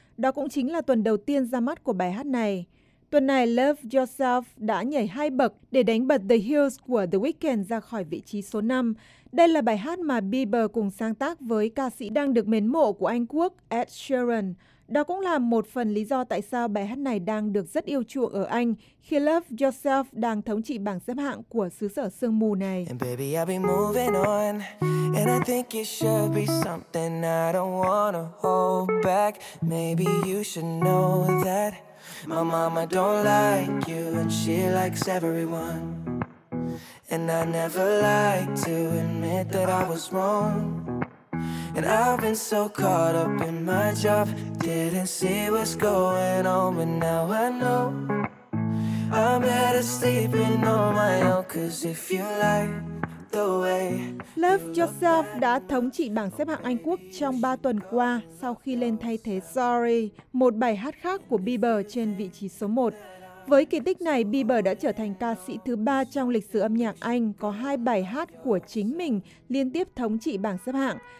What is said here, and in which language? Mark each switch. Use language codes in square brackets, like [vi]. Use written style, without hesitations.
[vi] Đó cũng chính là tuần đầu tiên ra mắt của bài hát này. Tuần này, Love Yourself đã nhảy 2 bậc để đánh bật The Hills của The Weeknd ra khỏi vị trí số 5. Đây là bài hát mà Bieber cùng sáng tác với ca sĩ đang được mến mộ của Anh Quốc Ed Sheeran. Đó cũng là một phần lý do tại sao bài hát này đang được rất yêu chuộng ở Anh khi Love Yourself đang thống trị bảng xếp hạng của xứ sở sương mù này. [en] And baby I'll be moving on, and I think it should be something I don't wanna hold back. Maybe you should know that my mama don't like you and she likes everyone. And I never like to admit that I was wrong. And I've been so caught up in my job, didn't see what's going on, but now I know. I'm better sleeping on my own, 'cause if you like the way. [vi] Love Yourself đã thống trị bảng xếp hạng Anh Quốc trong 3 tuần qua sau khi lên thay thế Sorry, một bài hát khác của Bieber trên vị trí số 1. Với kỳ tích này, Bieber đã trở thành ca sĩ thứ 3 trong lịch sử âm nhạc Anh có 2 bài hát của chính mình liên tiếp thống trị bảng xếp hạng.